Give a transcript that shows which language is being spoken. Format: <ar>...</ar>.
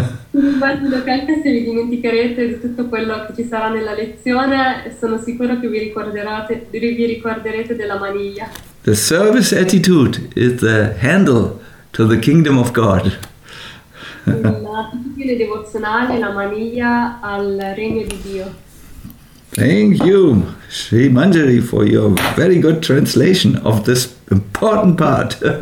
<it>Immagino che anche se vi dimenticherete di tutto quello che ci sarà nella lezione, sono sicuro che vi ricorderete della maniglia.</it> <en>The service attitude is the handle to the kingdom of God.</en> <it>L'attitudine devozionale, la maniglia al regno di Dio.</it> <en>Thank you, Sri Manjari, for your very good translation of this important part.</en>